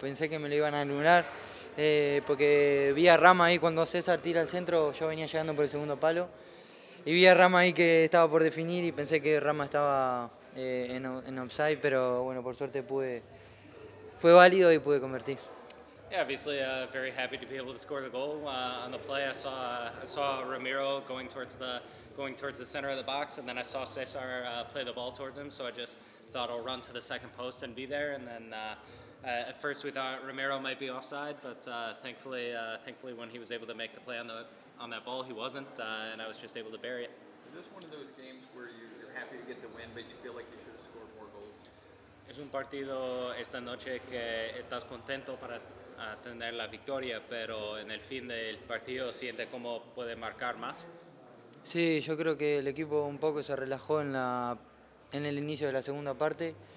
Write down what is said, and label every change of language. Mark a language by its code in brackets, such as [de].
[es] Pensé que me lo iban a anular, porque vi a Rama ahí cuando César tira al centro. Yo venía llegando por el segundo palo y vi a Rama ahí que estaba por definir y pensé que Rama estaba en offside, pero bueno, por suerte fue válido y pude convertir. [en] Yeah, obviously, very happy to be able to score the goal. On the play, I saw Ramiro going towards the center of the box, and then I saw Cesar play the ball towards him. So I just thought I'll run to the second post and be there. And then at first we thought Ramiro might be offside, but thankfully when he was able to make the play on that ball, he wasn't, and I was just able to bury it. Is this one of those games where you're happy to get the win, but you feel like you should have scored more goals? [es] Es un partido esta noche que estás contento para a tener la victoria, pero en el fin del partido siente cómo puede marcar más. Sí, yo creo que el equipo un poco se relajó en el inicio de la segunda parte.